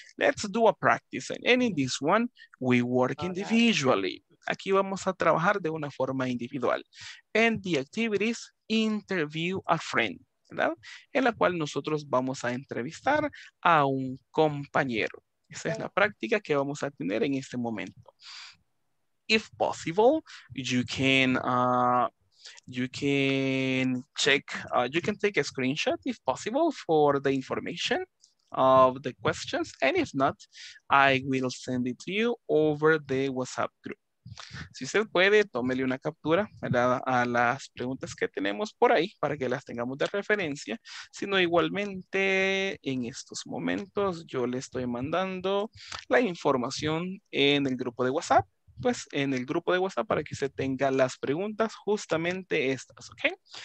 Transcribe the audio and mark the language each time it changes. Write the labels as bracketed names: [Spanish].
[English] Let's do a practice. And in this one, we work individually. [Spanish] Aquí vamos a trabajar de una forma individual. [English] And the activities, interview a friend, [Spanish] ¿verdad? En la cual nosotros vamos a entrevistar a un compañero. Esa es la práctica que vamos a tener en este momento. [English] If possible, you can take a screenshot, if possible, for the information of the questions, and if not, I will send it to you over the WhatsApp group. [Spanish] Si usted puede, tómele una captura, ¿verdad?, a las preguntas que tenemos por ahí para que las tengamos de referencia. Si no, igualmente en estos momentos yo le estoy mandando la información en el grupo de WhatsApp, pues en el grupo de WhatsApp para que usted tenga las preguntas justamente estas, ¿ok?